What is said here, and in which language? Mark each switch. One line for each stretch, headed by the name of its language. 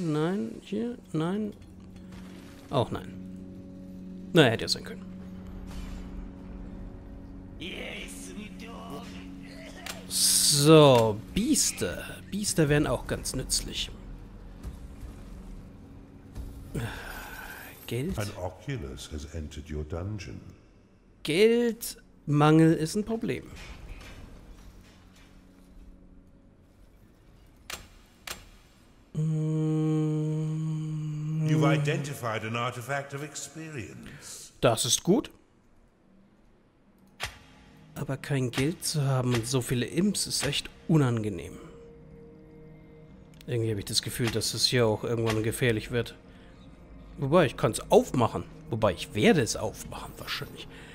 German: Nein, hier, nein. Auch nein. Naja, hätte ja sein können. So, Biester. Biester wären auch ganz nützlich. Geld.
English: An Oculus has entered your dungeon.
German: Geldmangel ist ein Problem.
English: You've identified an artifact of experience.
German: Das ist gut. Aber kein Geld zu haben und so viele Imps ist echt unangenehm. Irgendwie habe ich das Gefühl, dass es hier auch irgendwann gefährlich wird. Wobei, ich kann es aufmachen. Wobei, ich werde es aufmachen wahrscheinlich.